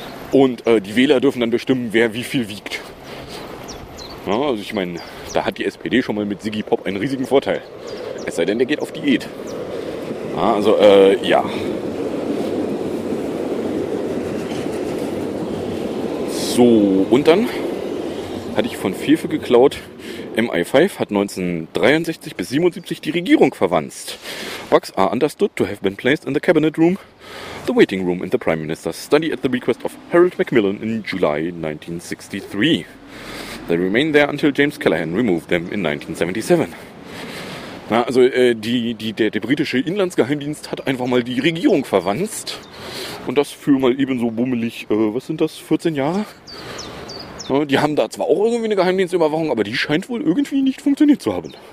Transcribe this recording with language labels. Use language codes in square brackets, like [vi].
[de] Und die Wähler dürfen dann bestimmen, wer wie viel wiegt. Ja, also ich meine, da hat die SPD schon mal mit Sigi Pop einen riesigen Vorteil. Es sei denn, der geht auf Diät. Ja, also, ja. So, und dann hatte ich von Fefe geklaut. MI5 hat 1963 bis 77 die Regierung verwanzt. [en] Bugs are understood to have been placed in the cabinet room, the waiting room in the Prime Minister's study at the request of Harold Macmillan in July 1963. They remain there until James Callaghan removed them in 1977. [de] Na, also der britische Inlandsgeheimdienst hat einfach mal die Regierung verwanzt. Und das für mal ebenso bummelig, was sind das, 14 Jahre? Die haben da zwar auch irgendwie eine Geheimdienstüberwachung, aber die scheint wohl irgendwie nicht funktioniert zu haben.